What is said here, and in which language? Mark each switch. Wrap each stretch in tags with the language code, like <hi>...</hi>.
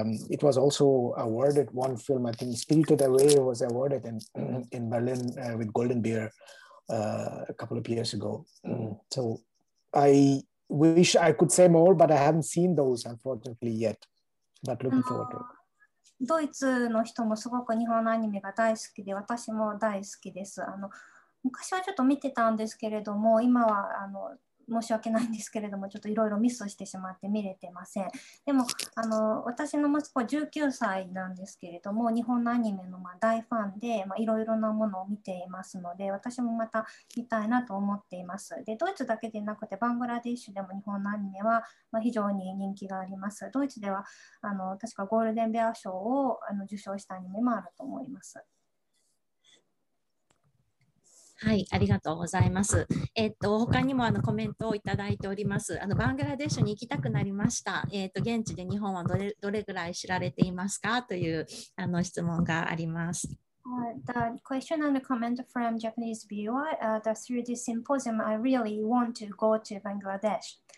<en>It was also awarded one film, I think Spirited Away was awarded in Berlin with Golden Bear a couple of years ago. So I wish I could say more, but I haven't seen those unfortunately yet, but looking forward to it.</en> <ja>ドイツの人もすごく日本のアニメが大好きで、私も大好きです。昔はちょっと見てたんですけれども、今は申し訳ないんですけれども、ちょっといろいろミスしてしまって見れてません。でも私の息子は19歳なんですけれども、日本のアニメの大ファンでいろいろなものを見ていますので、私もまた見たいなと思っています。でドイツだけでなくて、バングラディッシュでも日本のアニメは非常に人気があります。ドイツでは確かゴールデンベア賞を受賞したアニメもあると思います。はい、ありがとうございます。他にもコメントをいただいております。バングラデシュに行きたくなりました。現地で日本はどれぐらい知られていますかという質問があります。</ja> <en>The question and the comment from Japanese viewer, that through this symposium, I really want to go to Bangladesh.</en>